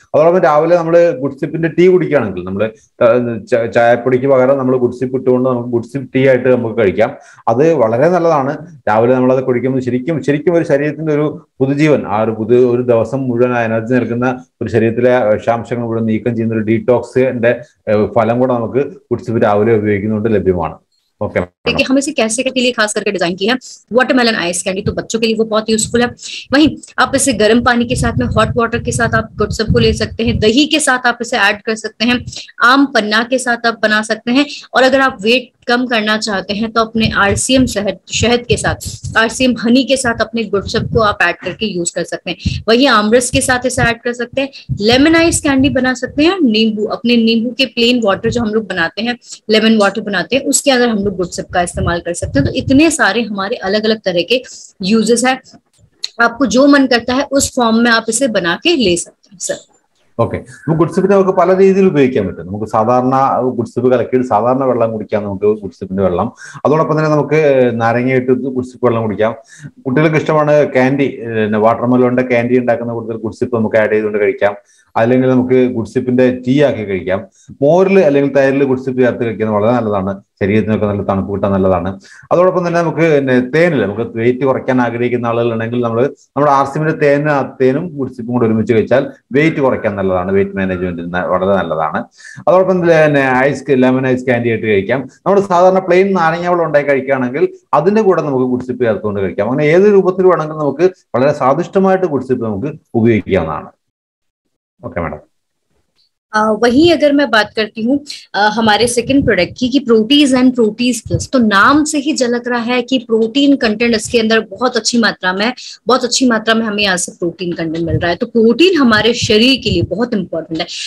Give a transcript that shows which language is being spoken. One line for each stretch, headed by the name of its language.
Malayalam: അതോടൊപ്പം രാവിലെ നമ്മൾ കുടിച്ചിപ്പിന്റെ ടീ കുടിക്കുകയാണെങ്കിൽ, നമ്മൾ ചായപ്പൊടിക്ക് പകരം നമ്മൾ കുടിച്ചിപ്പ് ഇട്ടുകൊണ്ട് നമുക്ക് കുടിച്ചിപ്പ് ടീ ആയിട്ട് നമുക്ക് കഴിക്കാം. അത് വളരെ നല്ലതാണ്. രാവിലെ നമ്മളത് കുടിക്കുമ്പോൾ ശരിക്കും ശരിക്കും ഒരു ശരീരത്തിന്റെ ഒരു പുതുജീവൻ, ആ ഒരു പുതു ഒരു ദിവസം മുഴുവൻ എനർജി നൽകുന്ന ഒരു ശരീരത്തിലെ വിഷാംശങ്ങൾ കൂടെ നീക്കം ചെയ്യുന്ന ഒരു ഡീടോക്സിന്റെ ഫലം കൂടെ നമുക്ക് കുടിച്ചിപ്പ് രാവിലെ ഉപയോഗിക്കുന്നതുകൊണ്ട് ലഭ്യമാണ്.
Hindi: ओके, हम इसे कैसे के लिए खास करके डिजाइन किया है, वाटरमेलन आइस कैंडी, तो बच्चों के लिए वो बहुत यूजफुल है। वहीं आप इसे गर्म पानी के साथ में, हॉट वाटर के साथ आप गुडसिप को ले सकते हैं, दही के साथ आप इसे ऐड कर सकते हैं, आम पन्ना के साथ आप बना सकते हैं, और अगर आप वेट कम करना चाहते हैं तो अपने आरसीएम शहद के साथ, आरसीएम हनी के साथ अपने गुडसिप को आप ऐड करके यूज कर सकते हैं। वहीं आमरस के साथ इसे ऐड कर सकते हैं, लेमन आइस कैंडी बना सकते हैं, नींबू, अपने नींबू के प्लेन वाटर जो हम लोग बनाते हैं, लेमन वाटर बनाते हैं, उसके अगर हम लोग गुडसिप का इस्तेमाल कर सकते हैं। तो इतने सारे हमारे अलग अलग तरह के यूजेस है, आपको जो मन करता है उस फॉर्म में आप इसे बना के ले सकते हैं सर।
Malayalam: ഓക്കെ, നമുക്ക് ഗുഡ്സിപ്പിനെ നമുക്ക് പല രീതിയിൽ ഉപയോഗിക്കാൻ പറ്റും. നമുക്ക് സാധാരണ ഗുഡ്സിപ്പ് കലക്കിയിട്ട് സാധാരണ വെള്ളം കുടിക്കാം നമുക്ക് ഗുഡ്സിപ്പിന്റെ വെള്ളം. അതോടൊപ്പം തന്നെ നമുക്ക് നാരങ്ങയിട്ട് ഗുഡ്സിപ്പ് വെള്ളം കുടിക്കാം. കുട്ടികൾക്ക് ഇഷ്ടമാണ് കാൻഡി, വാട്ടർമെലോണിന്റെ കാൻഡി ഉണ്ടാക്കുന്ന കൂടുതൽ ഗുഡ്സിപ്പ് നമുക്ക് ആഡ് ചെയ്തുകൊണ്ട് കഴിക്കാം, അല്ലെങ്കിൽ നമുക്ക് ഗുഡ്സിപ്പിന്റെ ടീ ആക്കി കഴിക്കാം. മോരിൽ അല്ലെങ്കിൽ തൈരിൽ ഗുഡ്സിപ്പ് ചേർത്ത് കഴിക്കുന്നത് വളരെ നല്ലതാണ്, ശരീരത്തിനൊക്കെ നല്ല തണുപ്പ് കിട്ടാൻ നല്ലതാണ്. അതോടൊപ്പം തന്നെ നമുക്ക് തേനിൽ, നമുക്ക് വെയിറ്റ് കുറയ്ക്കാൻ ആഗ്രഹിക്കുന്ന ആളുകളുണ്ടെങ്കിൽ നമ്മൾ നമ്മുടെ ആർസിമിന്റെ തേനും ഗുഡ്സിപ്പും കൂടെ ഒരുമിച്ച് കഴിച്ചാൽ വെയിറ്റ് കുറയ്ക്കാൻ നല്ലതാണ്, വെയിറ്റ് മാനേജ്മെന്റ് വളരെ നല്ലതാണ്. അതോടൊപ്പം ഐസ് ലെമൺ ഐസ് കാൻഡി ആയിട്ട് കഴിക്കാം. നമ്മൾ സാധാരണ പ്ലെയിൻ നാരങ്ങ വെള്ളം ഉണ്ടായി കഴിക്കുകയാണെങ്കിൽ അതിൻ്റെ കൂടെ നമുക്ക് ഗുഡ്സിപ്പ് ചേർത്തുകൊണ്ട് കഴിക്കാം. അങ്ങനെ ഏത് രൂപത്തിൽ വേണമെങ്കിലും നമുക്ക് വളരെ സ്വാദിഷ്ടമായിട്ട് ഗുഡ്സിപ്പ് നമുക്ക് ഉപയോഗിക്കാവുന്നതാണ്. ഓക്കെ മാഡം,
Hindi: वहीं अगर मैं बात करती हूँ हमारे सेकंड प्रोडक्ट की, कि प्रोटीज एंड प्रोटीज प्लस, तो नाम से ही झलक रहा है कि प्रोटीन कंटेंट इसके अंदर बहुत अच्छी मात्रा में, बहुत अच्छी मात्रा में हमें यहाँ से प्रोटीन कंटेंट मिल रहा है। तो प्रोटीन हमारे शरीर के लिए बहुत इंपॉर्टेंट है।